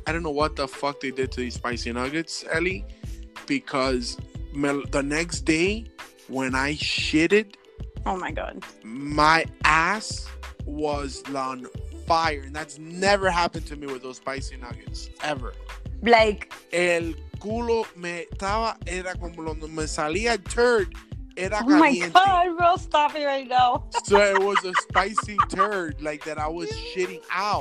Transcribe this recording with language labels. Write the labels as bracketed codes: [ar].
[en] I don't know what the fuck they did to these spicy nuggets, Ellie, because the next day when I shitted. Oh my God. My ass was on fire, and that's never happened to me with those spicy nuggets ever. Like, [es] el culo me estaba, era como cuando me salía turd, era caliente. [en] Oh my god, bro, stop it right now. So it was a spicy turd, like that I was shitting out.